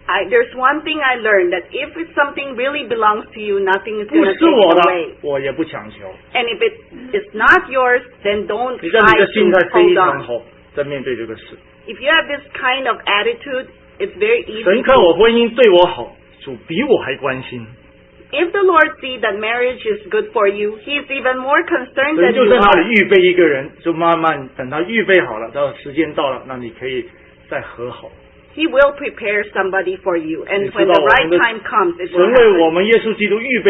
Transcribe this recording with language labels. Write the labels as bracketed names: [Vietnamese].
[English] There's one thing I learned that if something really belongs to you, nothing is going to take away. [Chinese] 我也不强求。 [English] And if it is not yours, then don't try to hold on. If you have this kind of attitude, it's very easy. [Chinese] 神看我婚姻对我好，主比我还关心。 [English] If the Lord sees that marriage is good for you, He's even more concerned than you. [Chinese] 神就在那里预备一个人，就慢慢等他预备好了，到时间到了，那你可以再和好。 [English] He will prepare somebody for you, and when the right time comes, it will happen.